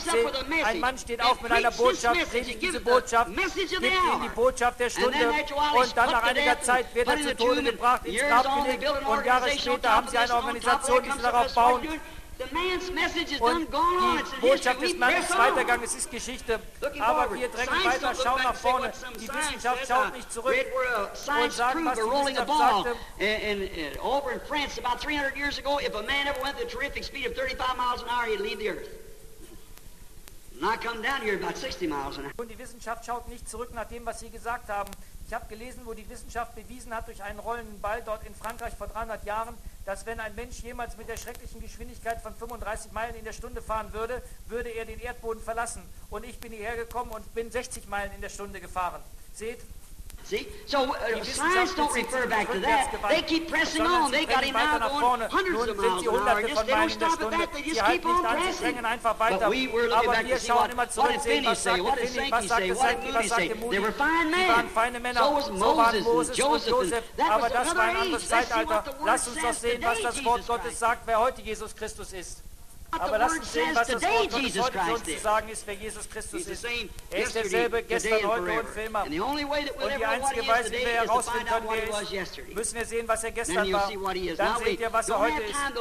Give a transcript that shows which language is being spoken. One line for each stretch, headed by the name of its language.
German: Seht, ein Mann steht auf mit einer Botschaft, predigt diese Botschaft, gibt ihnen die Botschaft der Stunde und dann nach einiger Zeit wird er zu Tode gebracht, ins Grab gelegt und Jahre später haben sie eine Organisation, die sie darauf bauen. Und die Botschaft des Mannes ist weitergegangen, es ist Geschichte. Aber wir drängen weiter, schauen nach vorne. Die Wissenschaft schaut nicht zurück und sagt, was die Wissenschaft sagte.
English: Over in France, about 300 years ago, if a man ever went at the terrific speed of 35 miles an hour, he'd leave the earth. Not come down here about 60 miles an hour.
German: Und die Wissenschaft schaut nicht zurück nach dem, was sie gesagt haben. Ich habe gelesen, wo die Wissenschaft bewiesen hat durch einen rollenden Ball dort in Frankreich vor 300 Jahren, dass wenn ein Mensch jemals mit der schrecklichen Geschwindigkeit von 35 Meilen in der Stunde fahren würde, würde er den Erdboden verlassen. Und ich bin hierher gekommen und bin 60 Meilen in der Stunde gefahren. Seht?
English: Science don't refer back to that. They keep pressing on. They got him now going hundreds of miles an hour. They don't stop at that. They just keep on pressing. But we were looking back to see what did Finney say? What did Sankey say? What did Moody say? They were fine men. So was Moses and Joseph. That was another age. Let's see what the word says today, Jesus Christ.
German: Wer heute Jesus Christus ist. Aber lasst uns sehen, was das Wort Gottes heute zu uns zu sagen ist, wer Jesus Christus ist. Er ist derselbe gestern, heute und für immer. Und die einzige Weise, wie wir herausfinden können, wer er ist, müssen wir sehen, was er gestern war. Dann seht ihr, was er heute ist.